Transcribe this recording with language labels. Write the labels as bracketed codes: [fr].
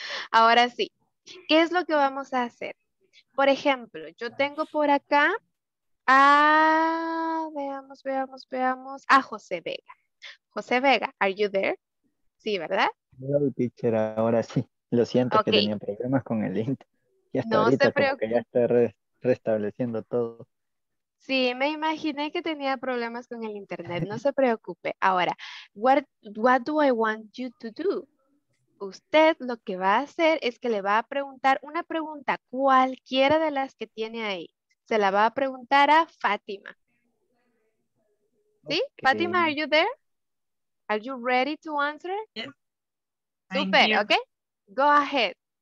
[es] Ahora sí, ¿qué es lo que vamos a hacer? Por ejemplo, yo tengo por acá a, veamos, a José Vega. [en] José Vega, are you there? [es] Sí, ¿verdad? [en] Hello, teacher, [es] ahora sí. Lo siento, okay. Que tenía problemas con el internet. Y hasta no ahorita, se preocupe. Ya está restableciendo todo. Sí, me imaginé que tenía problemas con el internet, no se preocupe. [en] Ahora, what do I want you to do? [es] Usted lo que va a hacer es que le va a preguntar una pregunta cualquiera de las que tiene ahí. Se la va a preguntar a Fátima. ¿Sí? Okay. Fátima, [en] are you there? Are you ready to answer? Yes. Super, ok. Go ahead.